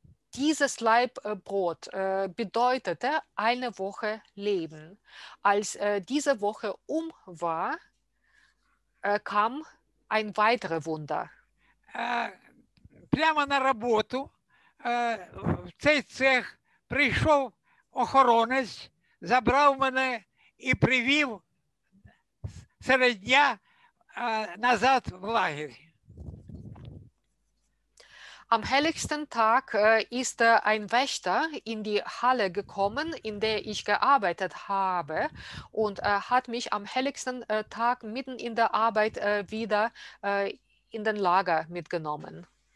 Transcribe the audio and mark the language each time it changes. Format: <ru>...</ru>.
<de>Dieses Laib Brot bedeutete eine Woche Leben. Als diese Woche um war, kam ein weiteres Wunder.</de> <uk>Прямо на роботу в цей цех прийшов охоронець, забрав мене і привів серед дня назад в лагерь.</uk> <de>Am helligsten Tag ist ein Wächter in die Halle gekommen, in der ich gearbeitet habe, und hat mich am helligsten Tag mitten in der Arbeit wieder in den Lager mitgenommen.</de>